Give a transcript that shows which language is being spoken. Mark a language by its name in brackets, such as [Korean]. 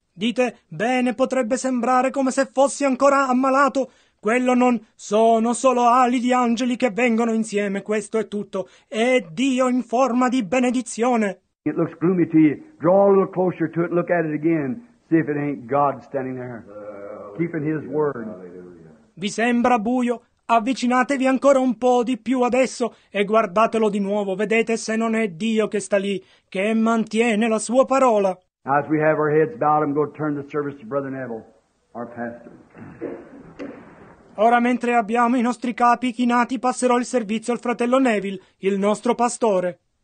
[Italian] Dite, bene, potrebbe sembrare come se fossi ancora ammalato. Quello non sono solo ali di angeli che vengono insieme, questo è tutto. È Dio in forma di benedizione. [English] It looks gloomy to you. Draw a little closer to it and look at it again. See if it ain't God standing there, keeping His word. [Italian] Vi sembra buio? Avvicinatevi ancora un po' di più adesso e guardatelo di nuovo. Vedete se non è Dio che sta lì, che mantiene la sua parola. [English] As we have our heads bowed, I'm going to turn the service to Brother Neville, our pastor. [Italian] Ora, mentre abbiamo i nostri capi chinati, passerò il servizio al fratello Neville, il nostro pastore.